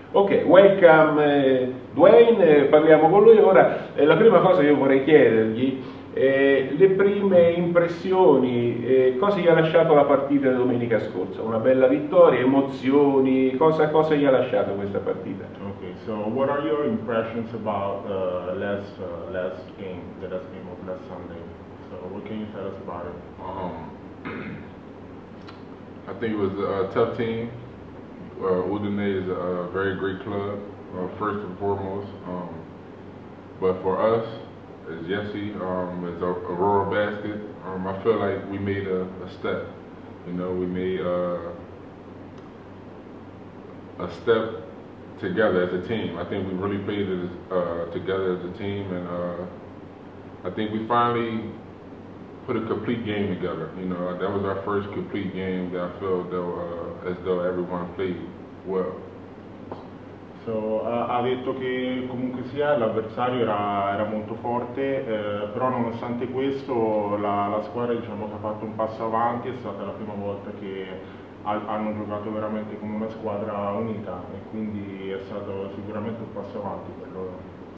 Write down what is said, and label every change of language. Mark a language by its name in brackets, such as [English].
[Italian] Ok, welcome Dwayne, parliamo con lui ora. La prima cosa che io vorrei chiedergli, le prime impressioni, cosa gli ha lasciato la partita domenica scorsa? Una bella vittoria, emozioni, cosa gli ha lasciato questa partita? [English] Ok, so what are your impressions about the last game of last Sunday? So what can you tell us about it? I think it was a tough team. Udinese is a very great club, first and foremost. But for us, as Jesse, as Aurora Basket, I feel like we made a step. You know, we made a step together as a team. I think we really played it together as a team, and I think we finally put a complete game together. You know, that was our first complete game that I felt though, as though everyone played well. [Italian] So, ha detto che comunque sia l'avversario era molto forte, però nonostante questo la squadra, diciamo, ha fatto un passo avanti, è stata la prima volta che hanno giocato veramente come una squadra unita e quindi è stato sicuramente un passo avanti per loro.